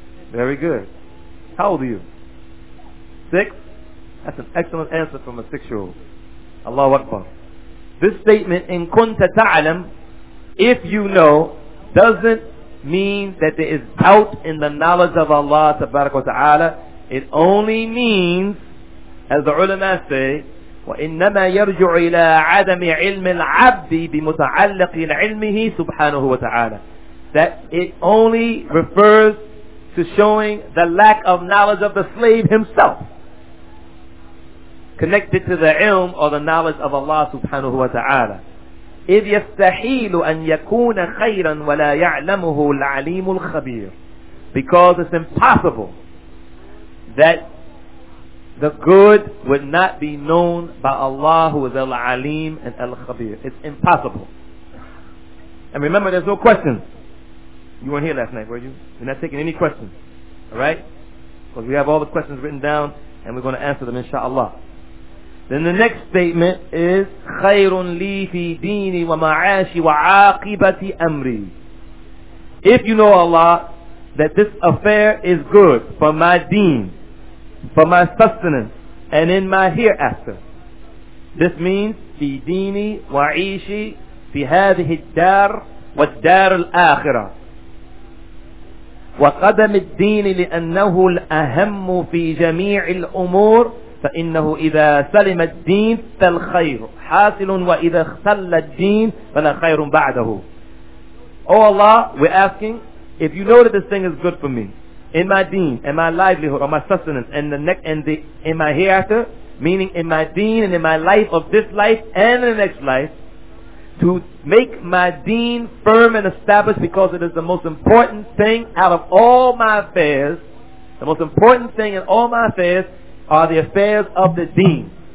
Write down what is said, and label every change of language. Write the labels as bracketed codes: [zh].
[en] Very good. How old are you? 6? That's an excellent answer from a 6-year-old. Allahu Akbar. This statement, [ar] in kunta ta'alam, [en] if you know, doesn't mean that there is doubt in the knowledge of Allah tabarak wa ta'ala. It only means, as the ulama say, [ar] وَإِنَّمَا يَرْجُعُ إِلَىٰ عَدَمِ عِلْمِ الْعَبْدِ بِمُتَعَلَّقٍ عِلْمِهِ سُبْحَانُهُ وَتَعَالَى. [en] That it only refers to showing the lack of knowledge of the slave himself connected to the ilm or the knowledge of Allah subhanahu wa ta'ala. [ar] إِذْ يَسْتَحِيلُ أَنْ يَكُونَ خَيْرًا وَلَا يَعْلَمُهُ الْعَلِيمُ الْخَبِيرُ. [en] Because it's impossible that the good would not be known by Allah who is Al-Alim and Al-Khabir. It's impossible. And remember, there's no questions. You weren't here last night, were you? You're not taking any questions. Alright? Because we have all the questions written down and we're going to answer them inshaAllah. Then the next statement is, [ar] خَيْرٌ لِي فِي دِينِ وَمَعَاشِ وَعَاقِبَةِ أَمْرِي. [en] If you know Allah, that this affair is good for my deen, for my sustenance and in my hereafter. This means [ar] في ديني وعيشي في هذه الدار والدار الآخرة وقدم الدين لأنه الأهم في جميع الأمور فإنه إذا سلم الدين فالخير حاصل وإذا اختل الدين فلا خير بعده. [en] Oh Allah, we're asking, if you know that this thing is good for me in my deen, and my livelihood, or my sustenance, and in my hereafter, meaning in my deen, and in my life of this life, and the next life, to make my deen firm and established, because it is the most important thing out of all my affairs, the most important thing in all my affairs, are the affairs of the deen.